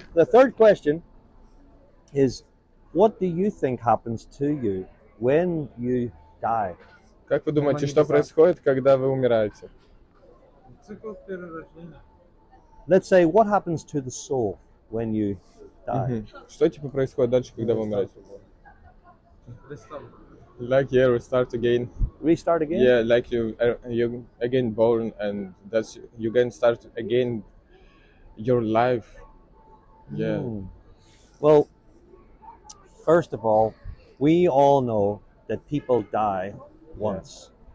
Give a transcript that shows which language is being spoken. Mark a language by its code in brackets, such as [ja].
[en] The third question is, what do you think happens to you when you die? [ru] Как вы думаете, что происходит, когда вы умираете? Цикл перерождения. [en] Let's say, what happens to the soul when you die? [ru] Что типа происходит дальше, когда вы умираете? [en] Restart. Like yeah, restart again. Restart again. Yeah, like you again born and that's you can start again your life. Yeah. Well. First of all, we all know that people die once?